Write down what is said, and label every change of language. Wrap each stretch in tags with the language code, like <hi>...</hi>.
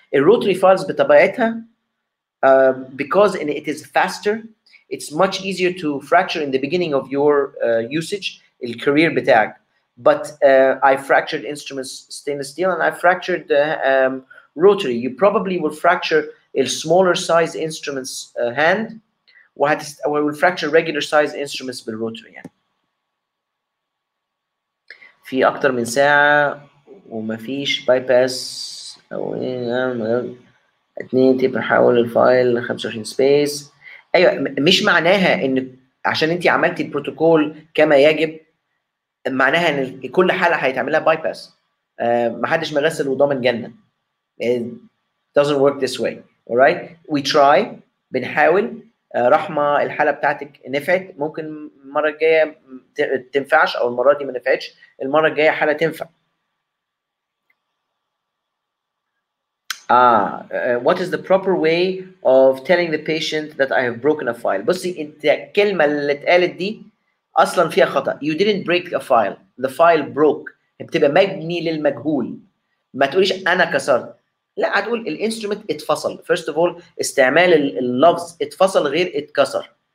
<ar>الروتري فايلز بطبيعتها</ar> <en>because it is faster it's much easier to fracture in the beginning of your usage</en> <ar>الكارير بتاعك.</ar> <en>But I fractured instruments stainless steel and I fractured the rotary. You probably will fracture a smaller size instruments hand, or will fracture regular size instruments with rotary hand.</en> <ar>في اكتر من ساعة ومفيش باي باس او ايه، اتنين تي بحاول الفايل 25 سبيس. ايوه مش معناها ان عشان انت عملتي البروتوكول كما يجب معناها ان كل حاله هيتعملها باي باس. محدش مغسل وضامن جنه.</ar> <en>It doesn't work this way. All right? We try.</en> <ar>بنحاول. رحمه الحاله بتاعتك نفعت، ممكن المره الجايه تنفعش او المره دي ما نفعتش، المره الجايه حاله تنفع.</ar> <en>What is the proper way of telling the patient that I have broken a file?</en> <ar>بصي انت الكلمه اللي اتقالت دي اصلا فيها خطا.</ar> <en>You didn't break a file. The file broke.</en> <ar>بتبقى مبني للمجهول. ما تقوليش انا كسرت. لا، هتقول الانسترومنت اتفصل.</ar> <en>First of all</en> <ar>استعمال اللفظ اتفصل غير اتكسر.</ar>